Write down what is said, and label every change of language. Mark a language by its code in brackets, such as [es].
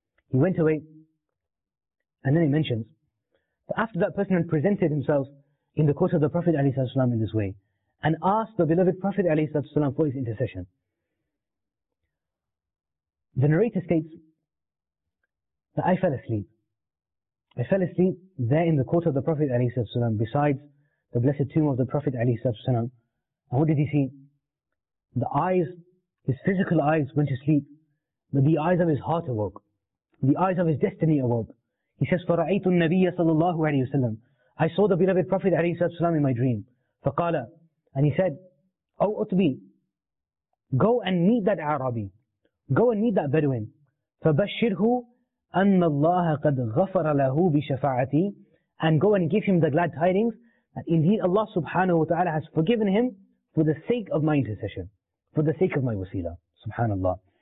[en] He went away, and then he mentions that after that person had presented himself in the court of the Prophet alayhi salam in this way and asked the beloved Prophet alayhi salam for his intercession, the narrator states that I fell asleep there in the court of the Prophet alayhi salam beside the blessed tomb of the Prophet alayhi salam. And what did he see? The eyes, his physical eyes went to sleep, but the eyes of his heart awoke. The eyes of his destiny awoke. He says, [ar] فَرَعَيْتُ النَّبِيَّ صَلَى اللَّهُ عَلَيْهِ وَسَلَّمُ. [en] I saw the beloved Prophet [ar] عليه الصلاة والسلام [en] in my dream. [ar] فَقَالَ. [en] And he said, O Utbi, go and meet that Arabi. Go and meet that Bedouin. [ar] فَبَشِّرْهُ أَنَّ اللَّهَ قَدْ غَفَرَ لَهُ بِشَفَاعَتِي. [en] And go and give him the glad tidings that indeed Allah subhanahu wa ta'ala has forgiven him for the sake of my intercession, for the sake of my wasila. Subhanallah.